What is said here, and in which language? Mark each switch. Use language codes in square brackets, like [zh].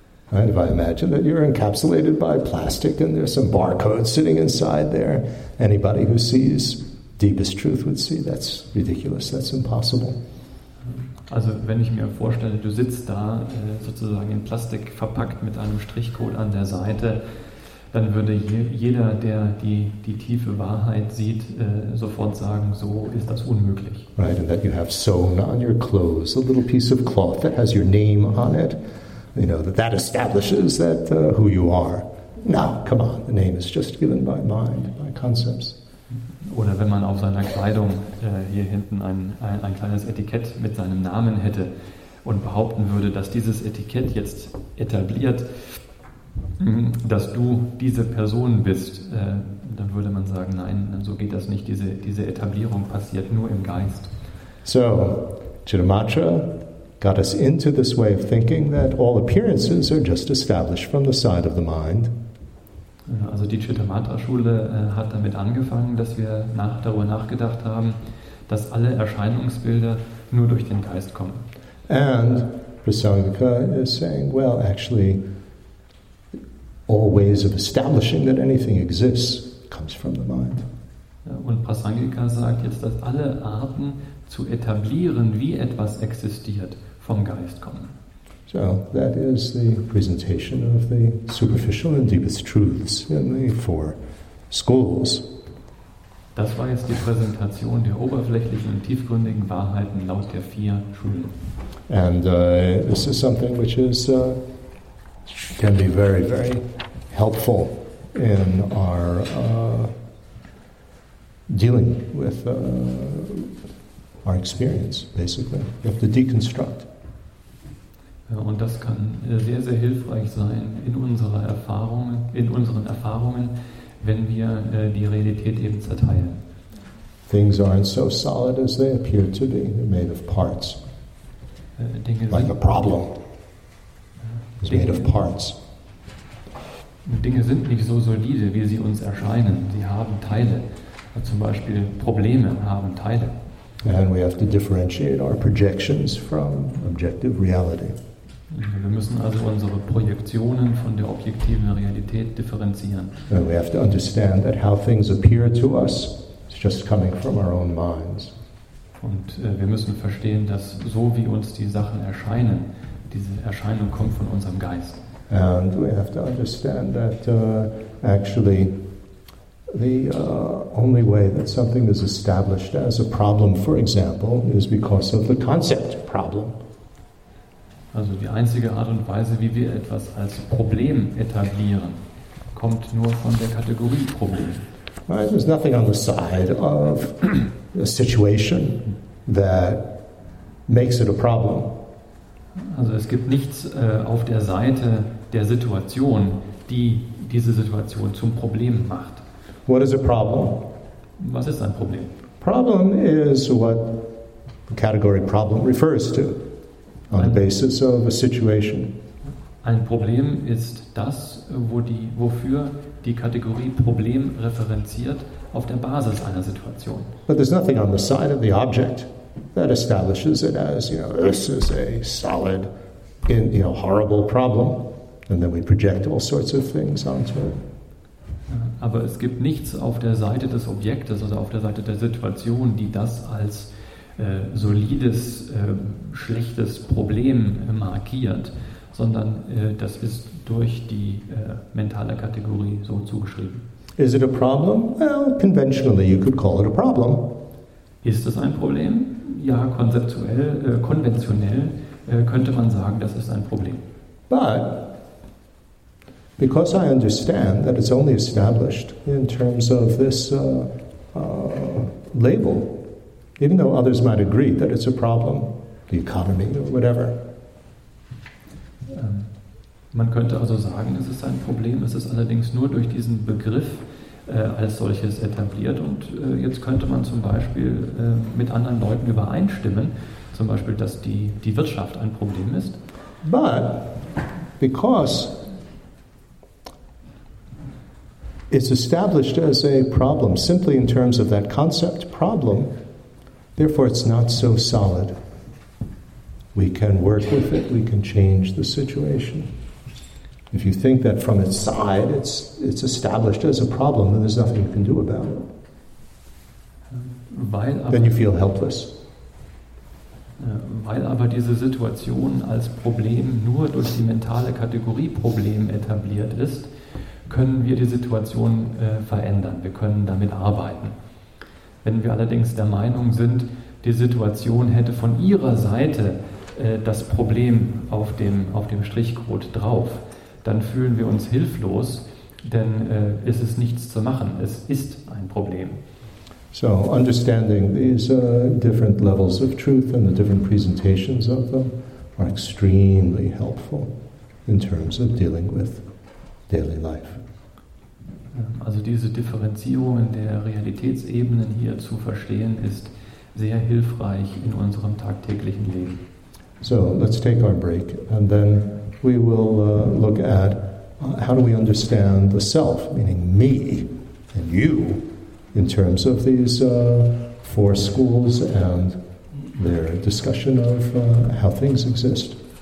[en] And if I imagine that you're encapsulated by plastic and there's some barcode sitting inside there, anybody who sees deepest truth would see that's ridiculous, that's impossible. [de] Also wenn ich mir vorstelle, du sitzt da sozusagen in Plastik verpackt mit einem Strichcode an der Seite, dann würde jeder, der die tiefe Wahrheit sieht, sofort sagen, so ist das unmöglich. [en] Right, and that you have sewn on your clothes a little piece of cloth that has your name on it, you know, that establishes that who you are. No, come on, the name is just given by mind, by concepts. [de] Oder wenn man auf seiner Kleidung hier hinten ein kleines Etikett mit seinem Namen hätte und behaupten würde, dass dieses Etikett jetzt etabliert, dass du diese Person bist, dann würde man sagen, nein, so geht das nicht. Diese Etablierung passiert nur im Geist. [en] So, Chittamatra got us into this way of thinking that all appearances are just established from the side of the mind. [de] Also die Chittamatra-Schule hat damit angefangen, dass wir darüber nachgedacht haben, dass alle Erscheinungsbilder nur durch den Geist kommen. [en] And Prasangika is saying, well, actually, all ways of establishing that anything exists comes from the mind. [de] Und Prasangika sagt jetzt, dass alle Arten zu etablieren, wie etwas existiert, vom Geist kommen. [en] So, that is the presentation of the superficial and deepest truths in the four schools. [de] Das war jetzt die Präsentation der oberflächlichen und tiefgründigen Wahrheiten laut der vier Schulen. [en] And this is something which is can be very, very helpful in our dealing with our experience, basically. We have to deconstruct. [de] Und das kann sehr, sehr hilfreich sein in unserer Erfahrung, in unseren Erfahrungen, wenn wir die Realität eben zerteilen. [en] Things aren't so solid as they appear to be. They're made of parts. Like a problem. It's made of parts. [de] Dinge sind nicht so solide, wie sie uns erscheinen. Sie haben Teile. Zum Beispiel Probleme haben Teile. [en] And we have to differentiate our projections from objective reality. [de] Wir müssen also unsere Projektionen von der objektiven Realität differenzieren. [en] And we have to understand that how things appear to us is just coming from our own minds. [de] Und wir müssen verstehen, dass so wie uns die Sachen erscheinen, diese Erscheinung kommt von unserem Geist. [en] And we have to understand that actually the only way that something is established as a problem, for example, is because of the concept problem. [de] Also die einzige Art und Weise, wie wir etwas als Problem etablieren, kommt nur von der Kategorie Problem. [en] Right, there's nothing on the side of a situation that makes it a problem. [de] Also es gibt nichts auf der Seite der Situation, die diese Situation zum Problem macht. [en] What is a problem? [de] Was ist ein Problem? [en] Problem is what the category problem refers to. On the basis of a situation. [de] Ein Problem ist das, wofür die Kategorie Problem referenziert auf der Basis einer Situation. [en] But there's nothing on the side of the object that establishes it as, you know, this is a solid, you know, horrible problem, and then we project all sorts of things onto it. [de] Aber es gibt nichts auf der Seite des Objektes, also auf der Seite der Situation, die das als solides, schlechtes Problem markiert, sondern das ist durch die mentale Kategorie so zugeschrieben. [en] Is it a problem? Well, conventionally you could call it a problem. [de] Ist es ein Problem? Ja, konventionell könnte man sagen, das ist ein Problem. [en] But because I understand that it's only established in terms of this label, even though others might agree that it's a problem, the economy or whatever. [de] Man könnte also sagen, es ist ein Problem. Es ist allerdings nur durch diesen Begriff als solches etabliert. Und jetzt könnte man zum Beispiel mit anderen Leuten übereinstimmen, zum Beispiel, dass die Wirtschaft ein Problem ist. [en] But because it's established as a problem simply in terms of that concept problem, therefore, it's not so solid. We can work with it. We can change the situation. If you think that from its side it's established as a problem, then there's nothing you can do about it. Then you feel helpless. [de] Weil aber diese Situation als Problem nur durch die mentale Kategorie Problem etabliert ist, können wir die Situation verändern. Wir können damit arbeiten. Wenn wir allerdings der Meinung sind, die Situation hätte von ihrer Seite das Problem auf dem Strichcode drauf, dann fühlen wir uns hilflos, denn es ist nichts zu machen. Es ist ein Problem. So, understanding these different levels of truth and the different presentations of them are extremely helpful in terms of dealing with daily life. Also diese Differenzierungen der Realitätsebenen hier zu verstehen, ist sehr hilfreich in unserem tagtäglichen Leben. [en] So, let's take our break and then we will look at how do we understand the self, meaning me and you, in terms of these four schools and their discussion of how things exist.